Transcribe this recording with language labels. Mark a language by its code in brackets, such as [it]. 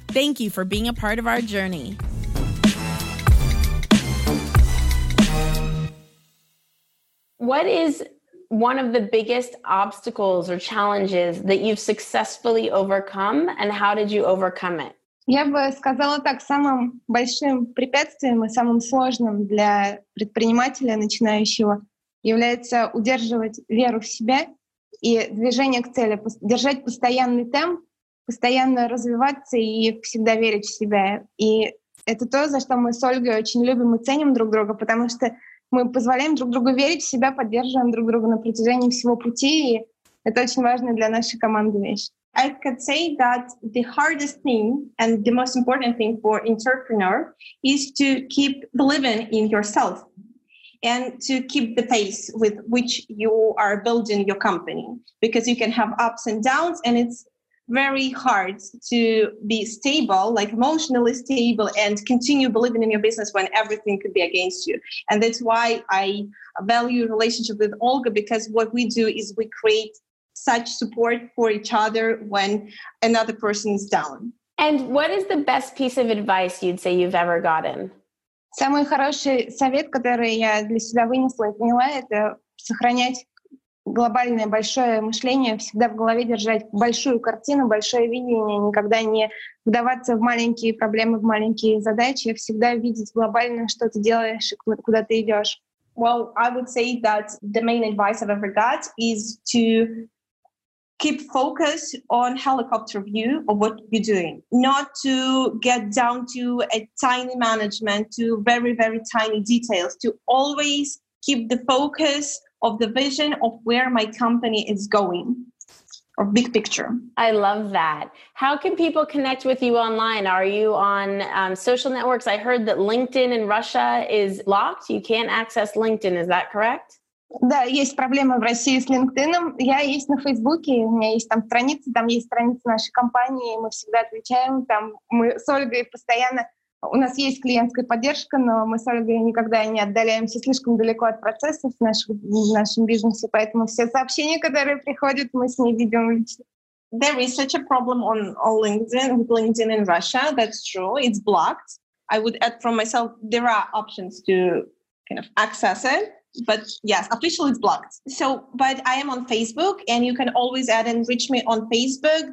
[en] Thank you for being a part of our journey. What is one of the biggest obstacles or challenges that you've successfully overcome, and how did you overcome it? [ru] Я бы сказала так, самым большим препятствием и самым сложным для предпринимателя начинающего является удерживать веру в себя и движение к цели, держать постоянный темп, постоянно развиваться и всегда верить в себя. И это то, за что мы с Ольгой очень любим и ценим друг друга, потому что мы позволяем друг другу верить в себя, поддерживаем друг друга на протяжении всего пути, и это очень важная для нашей команды вещь. [en] I could say that the hardest thing and the most important thing for entrepreneur is to keep believing in yourself and to keep the pace with which you are building your company, because you can have ups and downs, and it's very hard to be stable, like emotionally stable, and continue believing in your business when everything could be against you. And that's why I value relationship with Olga, because what we do is we create such support for each other when another person is down. And what is the best piece of advice you'd say you've ever gotten? [ru] Самый хороший совет, который я для себя вынесла и поняла, это сохранять глобальное большое мышление, всегда в голове держать большую картину, большое видение, никогда не вдаваться в маленькие проблемы, в маленькие задачи, всегда видеть глобально, что ты делаешь и куда ты идешь. [en] Well, I would say that the main advice I've ever got is to keep focus on helicopter view of what you're doing, not to get down to a tiny management, to very, very tiny details, to always keep the focus of the vision of where my company is going, or big picture. I love that. How can people connect with you online? Are you on social networks? I heard that LinkedIn in Russia is locked. You can't access LinkedIn. Is that correct? [ru] Да, есть проблема в России с LinkedIn. Я есть на Фейсбуке, у меня есть там страница, там есть страница нашей компании, мы всегда отвечаем, там мы с Ольгой постоянно. У нас есть клиентская поддержка, но мы с Ольгой никогда не отдаляемся слишком далеко от процессов в нашем бизнесе, поэтому все сообщения, которые приходят, мы с ней видим лично. [en] There is such a problem on LinkedIn in Russia, that's true, it's blocked. I would add from myself, there are options to kind of access it, but yes, officially it's blocked. So, but I am on Facebook, and you can always add and reach me on Facebook.